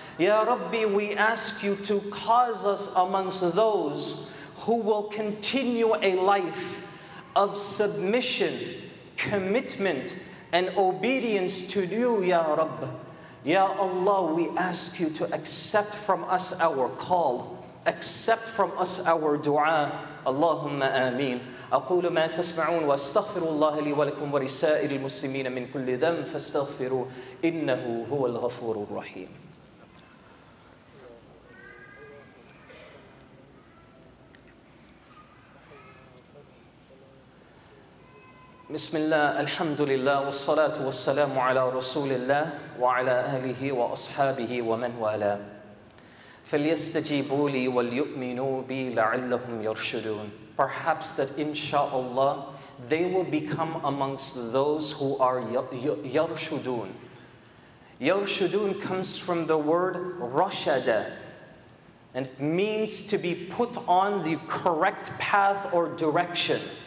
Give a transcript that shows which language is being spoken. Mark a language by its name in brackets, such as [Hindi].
[English] Ya Rabbi, we ask You to cause us amongst those who will continue a life of submission, commitment, and obedience to You, Ya Rabbi. Ya Allah, we ask You to accept from us our call. Accept from us our dua. Allahumma ameen. [Arabic] أقول ما تسمعون واستغفر الله لي ولكم ولسائر المسلمين من كل ذنب فاستغفروا إنه هو الغفور الرحيم. بسم الله الحمد لله والصلاة والسلام على رسول الله وعلى أهله وأصحابه ومن والاه فليستجيبوا لي وليؤمنوا بي لعلهم يرشدون. [English] Perhaps that inshallah they will become amongst those who are yarshudun. Yarshudun comes from the word rashada and it means to be put on the correct path or direction.